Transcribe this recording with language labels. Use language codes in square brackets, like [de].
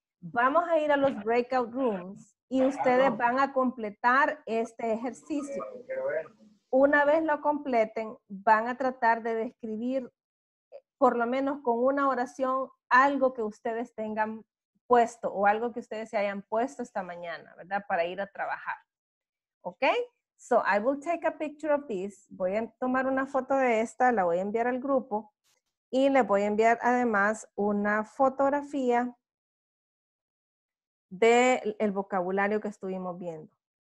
[es] Vamos a ir a los breakout rooms y ustedes van a completar este ejercicio. Una vez lo completen, van a tratar de describir, por lo menos con una oración, algo que ustedes tengan puesto o algo que ustedes se hayan puesto esta mañana, ¿verdad? Para ir a trabajar. ¿Ok? [en] So, I will take a picture of this. [es] Voy a tomar una foto de esta, la voy a enviar al grupo y le voy a enviar además una fotografía del vocabulario que estuvimos viendo.